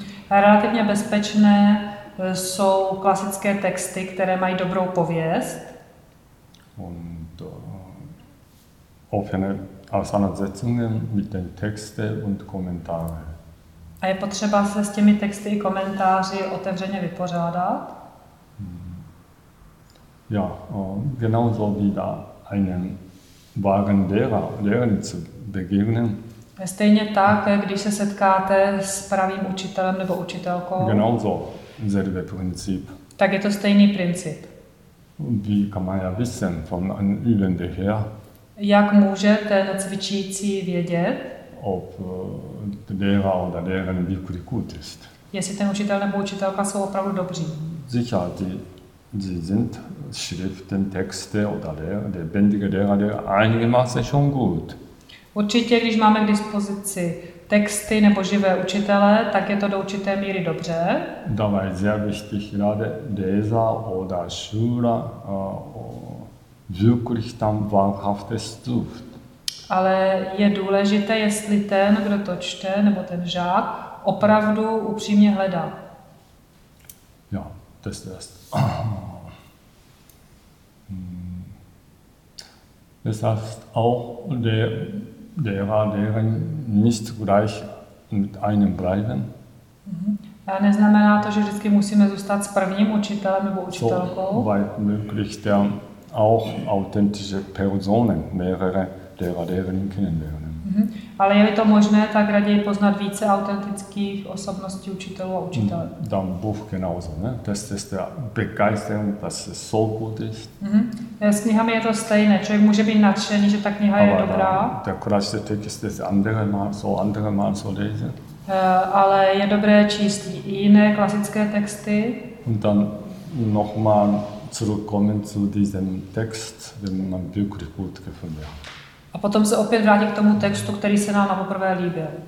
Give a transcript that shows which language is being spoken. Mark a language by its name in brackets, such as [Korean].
[Czech] Relativ bezpečné jsou klasické texty, které mají dobrou pověst. [German] Und offene Auseinandersetzungen mit den Texten und Kommentaren. [Czech] A je potřeba se s těmi texty i komentáři otevřeně vypořádat? [German] Ja, genauso wie da einen wahren Lehrer zu begegnen. [Czech] Stejně tak, když se setkáte s pravým učitelem nebo učitelkou. [German] Genauso, selbe Prinzip. [Czech] Tak je to stejný princip. [German] Wie kann man ja wissen von einem Übenden her? [Czech] Jak může ten cvičící vědět? [German] Ob Lehrer oder Lehrerin wirklich gut ist. [Czech] Jestli ten učitel nebo učitelka jsou opravdu dobří. [German] Sicher, sie sind Schriften, Texte oder lebendige Lehrer, der einigermaßen schon gut. [Czech] Určitě, když máme k dispozici texty nebo živé učitele, tak je to do určité míry dobře. [German] Dabei sehr wichtig, gerade Leser oder Schüler wirklich tam wahrhaftes Zuft. [Czech] Ale je důležité, jestli ten, kdo to čte, nebo ten žák, opravdu upřímně hledá. [German] Ja, das ist das heißt auch deren nicht gleich mit einem bleiben. [Czech] A neznamená to, že vždycky musíme zůstat s prvním učitelem nebo učitelkou. [German] So weit möglich der auch authentische Personen mehrere deren kennenlernen. [Czech] Ale je-li to možné, tak raději poznat více autentických osobností učitelů a učitelek. [German] Dann Buch genauso, ne? Das ist der Begeisterung, dass es so gut ist. [Czech] S knihami je to stejné. Člověk může být nadšený, že ta kniha je dobrá. [German] Der klassische Text ist andere mal so lesen. [Czech] Ale je dobré číst i jiné klasické texty. [German] Und dann nochmal zurückkommen zu diesem Text, wenn man wirklich gut gefunden hat. [Czech] A potom se opět vrátí k tomu textu, který se nám na poprvé líbil.